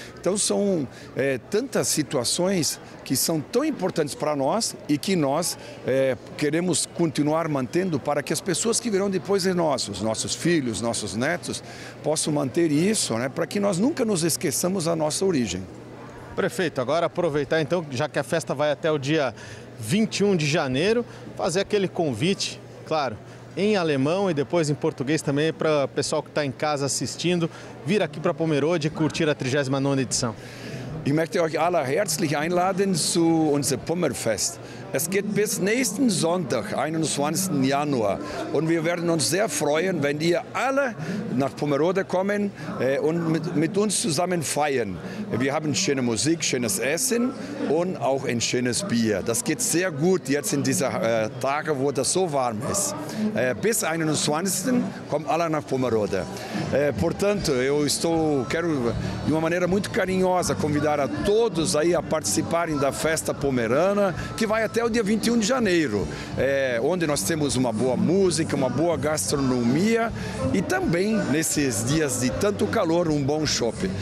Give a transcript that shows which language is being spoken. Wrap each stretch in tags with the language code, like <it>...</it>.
<pt>Então são tantas situações que são tão importantes para nós e que nós queremos continuar mantendo para que as pessoas que virão depois de nós, os nossos filhos, nossos netos, possam manter isso, né, para que nós nunca nos esqueçamos a nossa origem. Prefeito, agora aproveitar então, já que a festa vai até o dia 21 de janeiro, fazer aquele convite, claro, em alemão e depois em português também, para o pessoal que está em casa assistindo, vir aqui para Pomerode e curtir a 39ª edição.</pt> <de>Ich möchte euch alle herzlich einladen zu unserem Pommerfest. Es geht bis nächsten Sonntag, 21. Januar. Und wir werden uns sehr freuen, wenn ihr alle nach Pomerode kommen und mit uns zusammen feiern. Wir haben schöne Musik, schönes Essen und auch ein schönes Bier. Das geht sehr gut jetzt in diesen Tagen, wo das so warm ist. Bis 21. kommen alle nach Pomerode.</de> <pt>Portanto, eu quero de uma maneira muito carinhosa convidar a todos aí a participarem da festa pomerana, que vai até o dia 21 de janeiro, onde nós temos uma boa música, uma boa gastronomia e também, nesses dias de tanto calor, um bom chope.</pt>